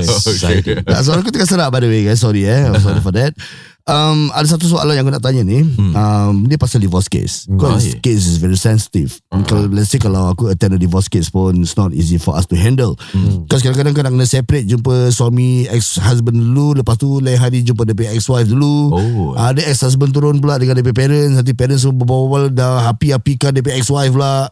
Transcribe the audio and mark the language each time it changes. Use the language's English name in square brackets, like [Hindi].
[Malay] Soalan aku tengah serak, [English] by the way, guys. Sorry for that. [Malay] Ada satu soalan yang aku nak tanya ni. Dia pasal [English] divorce case. Case is very sensitive. Let's say [Malay] kalau aku [English] attend a divorce case pun, it's not easy for us to handle. [Malay] Cause kadang-kadang kena nak separate, jumpa suami ex-husband dulu, lepas tu lain hari jumpa dia punya ex-wife dulu. Ada ex-husband turun pula dengan dia punya parents. Nanti parents semua berbual-bual, dah hapi-hapikan dia punya ex-wife pula.